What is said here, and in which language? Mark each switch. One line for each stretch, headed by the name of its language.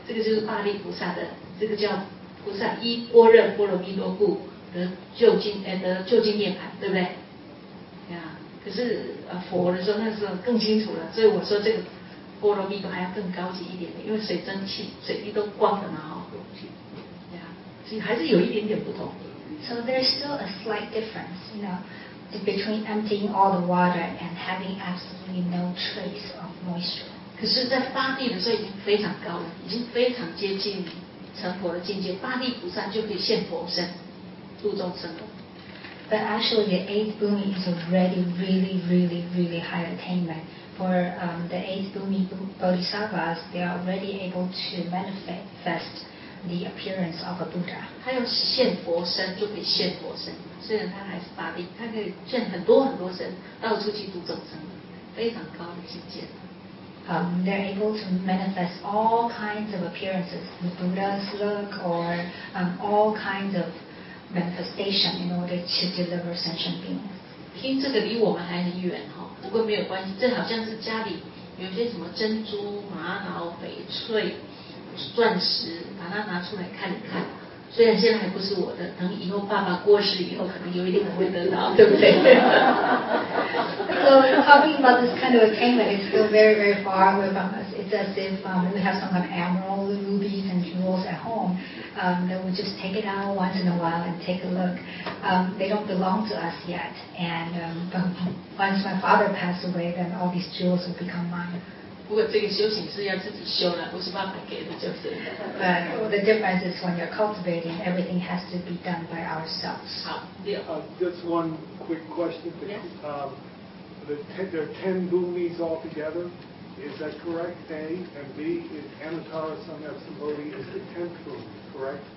Chinese: 这个就是八力菩萨的，这个叫菩萨依般若波罗蜜多故得究竟涅槃，对不对？呀，可是佛的时候那时候更清楚了，所以我说这个。波罗蜜多还要更高级一点的，因为水蒸气水力都光的嘛，哈，所以还是有一点点不同。
English: So there's still a slight difference, you know, between emptying all the water and having absolutely no trace of moisture.
Chinese: 可是在八地的时候已经非常高了，已经非常接近成佛的境界，八地菩萨就可以现佛身，度众生了。
English: But actually, the eighth bhumi is already really, really, really high attainment. For the eighth bhumi bodhisattvas, they are already able to manifest the appearance of a Buddha.
Chinese: 他要现佛身就可以现佛身，虽然他还是八地，他可以现很多很多身，到处去度众生，非常高的境界。
English: They're able to manifest all kinds of appearances, the Buddha's look or all kinds of. Manifestation in order to deliver sentient beings.
Chinese: 听这个离我们还很远哈，不过没有关系。这好像是家里有些什么珍珠、玛瑙、翡翠、钻石，把它拿出来看一看。虽然现在还不是我的，等以后爸爸过世以后，可能有一点我会得到，对不对？
English: So talking about this kind of attainment is still very, very far away from us. It's as if we have some kind of emerald, rubies, and jewels at home. That we just take it out once in a while and take a look. They don't belong to us yet. And once my father passed away, then all these jewels will become mine.
Chinese: 不过这个修行是要自己修了，不是爸爸给的，就是。
English: But the difference is when you're cultivating, everything has to be done by ourselves.
Chinese: 好，
English: Just one quick question. Yes. There are 10 bhumis altogether. Is that correct, A? And B, is Anuttara Samyaksambodhi is the 10th bhumi, correct?